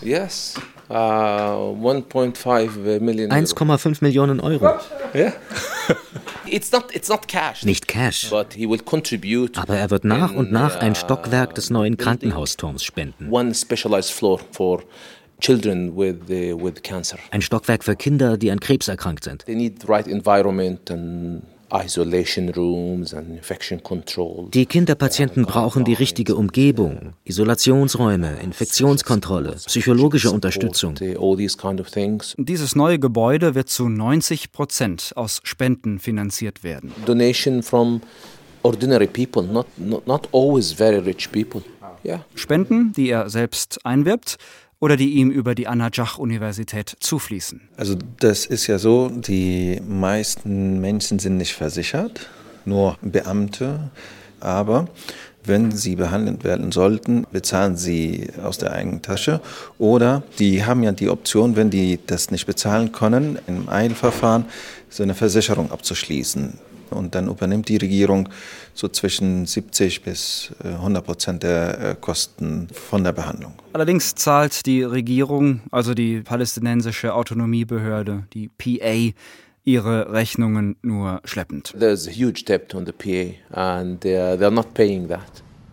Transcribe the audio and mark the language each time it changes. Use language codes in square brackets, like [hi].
[de] Yes. 1,5 Millionen Euro. Yeah. [en] It's not cash. [de] Nicht Cash. [en] But he will contribute. [de] Aber er wird nach und nach ein Stockwerk des neuen Krankenhausturms spenden. [en] One specialized floor for children with cancer. [de] Ein Stockwerk für Kinder, die an Krebs erkrankt sind. [en] They need the right environment and isolation rooms and infection control. [de] Die Kinderpatienten brauchen die richtige Umgebung, Isolationsräume, Infektionskontrolle, psychologische Unterstützung. Dieses neue Gebäude wird zu 90% aus Spenden finanziert werden. [en] Donation from ordinary people, not always very rich people. Yeah. [de] Spenden, die er selbst einwirbt oder die ihm über die Anadjach-Universität zufließen. Also das ist ja so, die meisten Menschen sind nicht versichert, nur Beamte. Aber wenn sie behandelt werden sollten, bezahlen sie aus der eigenen Tasche. Oder die haben ja die Option, wenn die das nicht bezahlen können, im Eilverfahren so eine Versicherung abzuschließen. Und dann übernimmt die Regierung so zwischen 70-100% der Kosten von der Behandlung. Allerdings zahlt die Regierung, also die palästinensische Autonomiebehörde, die PA, ihre Rechnungen nur schleppend. [en] There's a huge debt on the PA and they're not paying that.